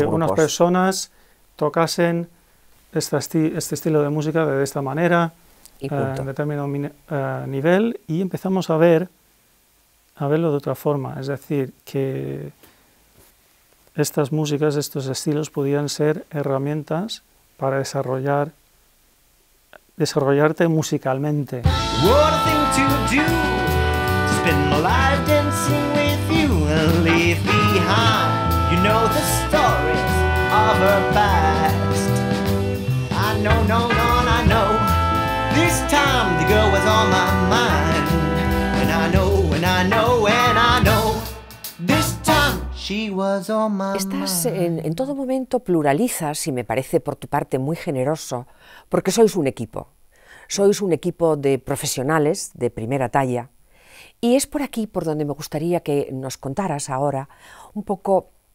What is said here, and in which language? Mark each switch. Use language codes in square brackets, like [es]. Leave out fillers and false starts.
[es] que unas personas tocasen este estilo de música de esta manera, en determinado nivel, y empezamos a verlo de otra forma. Es decir, que estas músicas, estos estilos, podían ser herramientas para desarrollarte musicalmente. [en] What a thing to do, spend my life dancing with you and leave behind, you know, the stories of our past. I know, no, no, I know, this time the girl was on my mind. And I know, and I know, and I know, this time she was on my mind. [es] Estás en todo momento pluralizas, y me parece por tu parte muy generoso, porque sois un equipo. Sois un equipo de profesionales de primera talla, y es por aquí por donde me gustaría que nos contaras ahora un poco